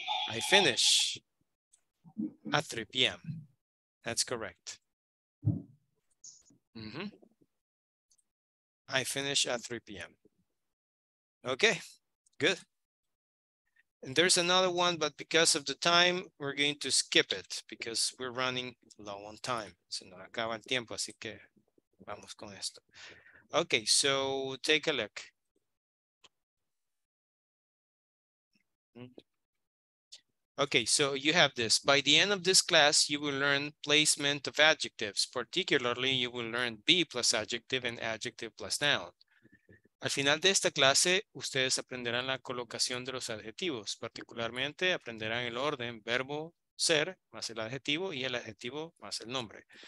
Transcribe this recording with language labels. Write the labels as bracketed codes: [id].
[en] I finish at 3 p.m. That's correct. Mm-hmm. I finish at 3 p.m. Okay, good. And there's another one, but because of the time, we're going to skip it because we're running low on time. [es] Se nos acaba el tiempo, así que vamos con esto. [en] Okay, so take a look. Okay, so you have this. By the end of this class, you will learn placement of adjectives. Particularly, you will learn be plus adjective and adjective plus noun. [es] Al final de esta clase, ustedes aprenderán la colocación de los adjetivos. Particularmente, aprenderán el orden verbo ser más el adjetivo más el nombre.